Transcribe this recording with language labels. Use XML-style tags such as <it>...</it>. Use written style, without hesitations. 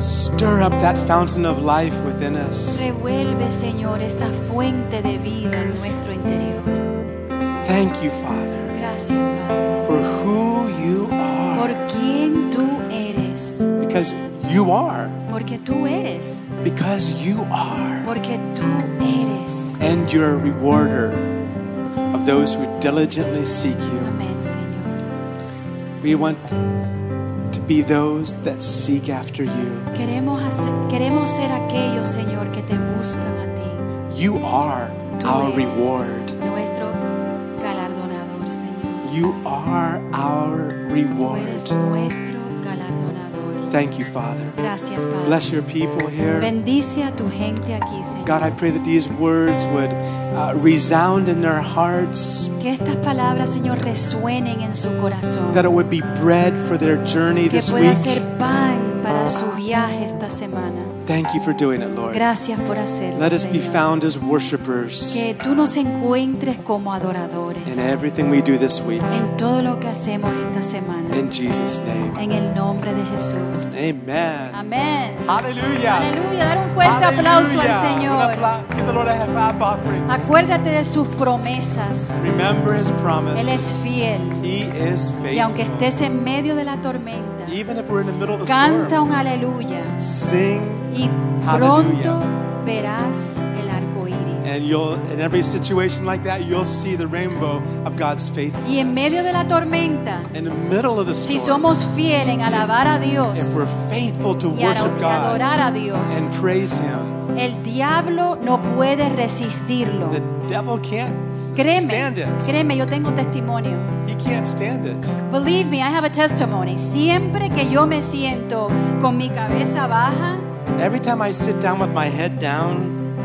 <en>Stir up that fountain of life within us.</en> <es>Revuelve, Señor, esa fuente de vida en nuestro interior.</es> <en>Thank you, Father.</en> <es>Gracias, Padre.</es> <en>For who you are.</en> <es>Por quien tú eres.</es> <en>Because you are.</en> <es>Porque tú eres.</es> <en>Because you are.</en> <es>Porque tú eres.</es> <en>And you're a rewarder of those who diligently seek you.</en> <es>Amen, Señor.</es> <en>We want to be those that seek after you.</en> <es>Queremos ser aquellos, Señor, que te buscan a ti.</es> <en>You are our reward.</en> <es>Nuestro galardonador, Señor.</es> <en>You are our reward.</en> <es>Tú eres nuestro galardonador.</es> <en>Thank you, Father.</en> <es>Gracias, Padre.</es> <en>Bless your people here.</en> <es>Bendice a tu gente aquí, Señor.</es> <en>God, I pray that these words would resound in their hearts.</en> <es>Que estas palabras, Señor, resuenen en su corazón.</es> <en>That it would be bread for their journey this week.</en> <es>Que pueda ser pan para su viaje esta semana.</es> <en>Thank you for doing it, Lord.</en> <es>Gracias por hacerlo,</es> <en>Let us</en> <es>Señor.</es> <en>Be found as worshipers.</en> <es>Que tú nos encuentres como adoradores.</es> <en>In everything we do this week.</en> <es>En todo lo que hacemos esta semana.</es> <en>In Jesus' name.</en> <es>En el nombre de Jesús.</es> <en>Amen.</en> <es>Amen. Aleluya. Aleluya. Dar un fuerte aplauso al Señor.</es> <en>Give the Lord a high offering.</en> <es>Acuérdate de sus promesas.</es> <en>Remember his promises.</en> <es>Él es fiel.</es> <en>He is faithful.</en> <es>Y aunque estés en medio de la tormenta,</es> <en>even if we're in the middle of the</en> <es>canta</es> <en>storm,</en> <es>un aleluya.</es> <en>Sing.</en> <es>Y pronto verás el arco iris.</es> <en>And you'll, in every situation like that, you'll see the rainbow of God's faithfulness.</en> <es>Y en medio de la tormenta,</es> <en>in the middle of the storm,</en> <es>si somos fieles en alabar a Dios,</es> <en>if we're faithful to worship God,</en> <es>y adorar a Dios,</es> <en>and praise Him,</en> <es>el diablo no puede resistirlo.</es> <en>The devil can't stand it.</en> <es>Créeme, yo tengo testimonio.</es> <en>He can't stand it. Believe me, I have a testimony.</en> <es>Siempre que yo me siento con mi cabeza baja,</es> <en>every time I sit down with my head down,</en>